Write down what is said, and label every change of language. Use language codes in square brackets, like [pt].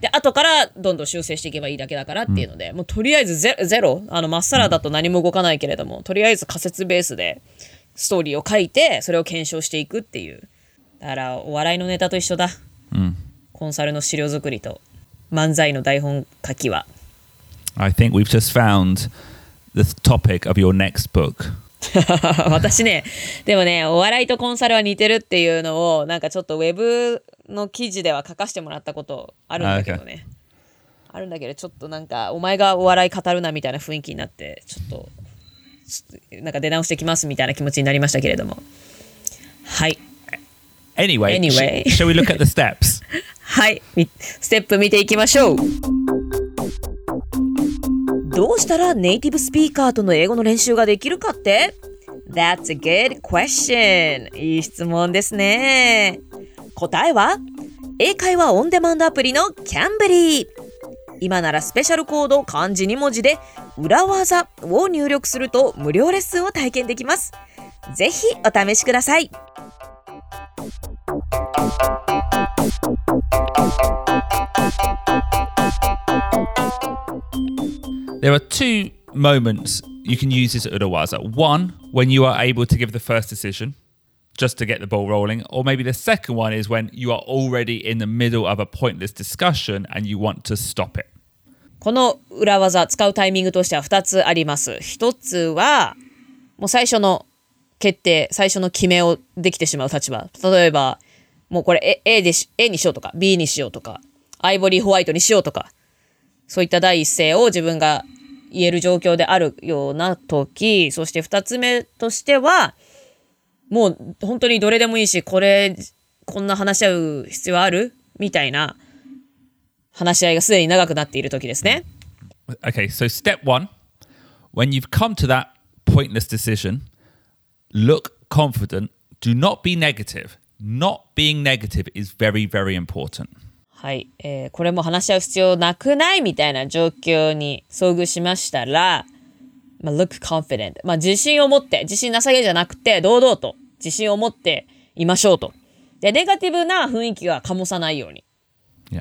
[ja] で、後からどんどん修正していけばいいだけだからっていうので、もうとりあえずゼロ、あの、まっさらだと何も動かないけれども、とりあえず仮説ベースで、ストーリーを書いてそれを検証していくっていう、だからお笑いのネタと一緒だ、コンサルの資料作りと漫才の台本書きは。 [en] I think we've just found the topic of your next book. [ja] 私ね、でもね、お笑いとコンサルは似てるっていうのをなんかちょっとウェブの記事では書かせてもらったことあるんだけどね、 [en] okay. [ja] あるんだけど、ちょっとなんかお前がお笑い語るなみたいな雰囲気になってちょっとなんか出直してきますみたいな気持ちになりましたけれども、はい、 [en] Anyway shall we look at the steps? [ja] はい、ステップ見ていきましょう。どうしたらネイティブスピーカーとの英語の練習ができるかって、 [en] That's a good question。 [ja] いい質問ですね。答えは英会話オンデマンドアプリのキャンブリー。今ならスペシャルコード漢字2文字で裏技を入力すると無料レッスンを体験できます。ぜひお試しください。 [en] There are two moments you can use this urawaza. One, when you are able to give the first decision, just to get the ball rolling. Or maybe the second one is when you are already in the middle of a pointless discussion and you want to stop it. [ja] この urawaza 使うタイミングとしては2つあります。1つは、もう最初の決定、最初の決めをできてしまう立場。例えば、もうこれ A, でし A にしようとか、B にしようとか、アイボリーホワイトにしようとか、そういった第一声を自分が言える状況であるような時、そして二つ目としてはもう本当にどれでもいいし、これこんな話し合う必要あるみたいな話し合いがすでに長くなっている時ですね。 [en] Okay, so step one, when you've come to that pointless decision, look confident, do not be negative. Not being negative is very, very important. [ja] はい、これも話し合う必要なくないみたいな状況に遭遇しましたら、まあ、 [en] look confident、 [ja] まあ、自信を持って、自信なさげじゃなくて堂々と自信を持っていましょうと。でネガティブな雰囲気は醸さないように、 [en] yeah.